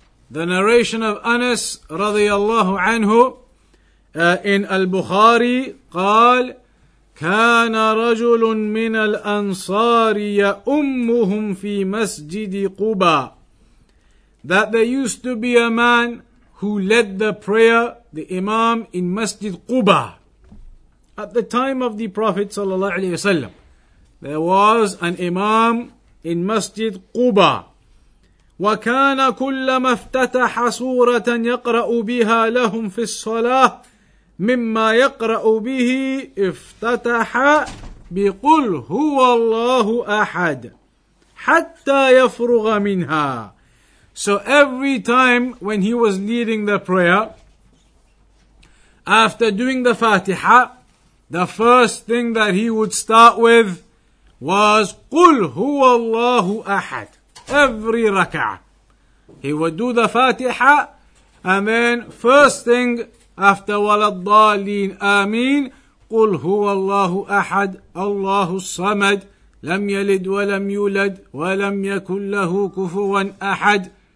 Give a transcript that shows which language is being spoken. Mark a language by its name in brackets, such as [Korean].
[English] The narration of Anas radiyallahu anhu in Al-Bukhari, [Arabic] قال كان رجل من الأنصار يأمهم في مسجد قباء. [English] That there used to be a man who led the prayer, the imam, in Masjid Quba. At the time of the Prophet sallallahu alaihi wasallam, there was an imam in Masjid Quba. [Arabic] وكان كلما افتتح سورة يقرأ بها لهم في الصلاة مما يقرأ به افتتح بقل هو الله أحد حتى يفرغ منها. [English] So every time when he was leading the prayer, after doing the Fatiha, the first thing that he would start with was [Arabic] قل هو الله أحد. [English] Every raka'ah, he would do the Fatiha, and then first thing after waladdalin amin, [Arabic] قُلْ هُوَ اللَّهُ أَحَدُ اللَّهُ الصَّمَدُ لَمْ يَلِدْ وَلَمْ يُولَدْ وَلَمْ يَكُنْ لَهُ كُفُوًا أَحَدُ.